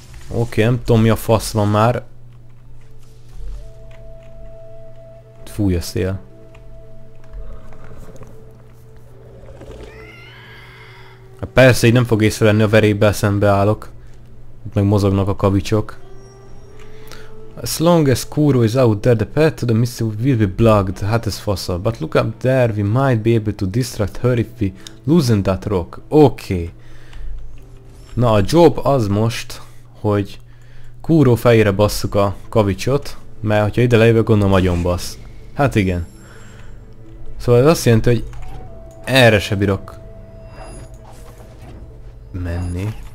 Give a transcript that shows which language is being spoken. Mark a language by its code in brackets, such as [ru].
[hu] Oké, nem tudom mi a fasz van már. Fúj a szél. Persze, így nem fog észrevenni, a verébbel szembe állok. Itt meg mozognak a kavicsok. [en] As long as Kuro is out there, the path to the mystery will be blocked. [hu] Hát ez fasza. [en] But look up there, we might be able to distract her if we loosen that rock. [hu] Oké. Na, a job az most, hogy Kuro fejére basszuk a kavicsot, mert hogyha ide lejövök, gondolom agyon bassz. Hát igen. Szóval ez azt jelenti, hogy erre se bírok menni.